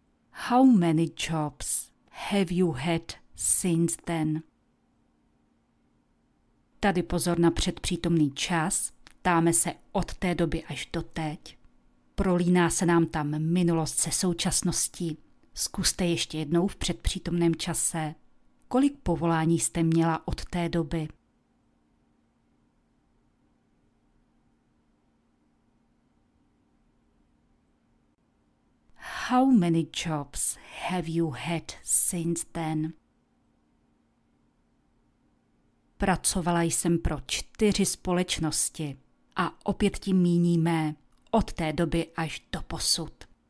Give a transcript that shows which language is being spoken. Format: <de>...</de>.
<en>How many jobs have you had since then?</en> <cs>Tady pozor na předpřítomný čas. Ptáme se od té doby až do teď. Prolíná se nám tam minulost se současností. Zkuste ještě jednou v předpřítomném čase. Kolik povolání jste měla od té doby?</cs> <en>How many jobs have you had since then?</en> <cs>Pracovala jsem pro 4 společnosti a opět tím míníme od té doby až do posud.</cs>